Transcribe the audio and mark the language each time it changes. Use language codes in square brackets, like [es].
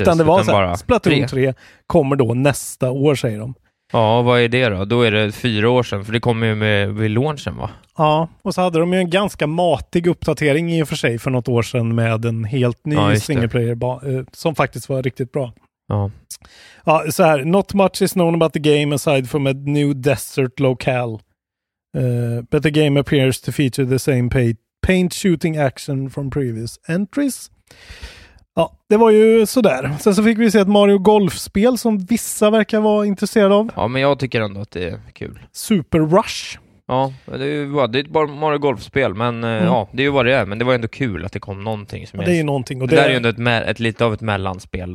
[sv] Utan det var såhär, Splatoon 3 kommer då nästa år, säger de. Ja, vad är det då? Då är det 4 år sedan, för det kommer ju med vid launchen, va? Ja, och så hade de ju en ganska matig uppdatering i och för sig för något år sedan med en helt ny, ja, singleplayer som faktiskt var riktigt bra. Ja. Ja, så här, [en] not much is known about the game aside from a new desert locale. But the game appears to feature the same paint shooting action from previous entries. [sv] Ja, det var ju sådär. Sen så fick vi se ett Mario Golf-spel som vissa verkar vara intresserade av. Ja, men jag tycker ändå att det är kul. Super Rush. Ja, det är bara Mario Golf-spel. Men ja, det är ju vad det är. Men det var ändå kul att det kom någonting. Som ja, det är ju någonting. Och det där är ju ändå ett lite av ett mellanspel.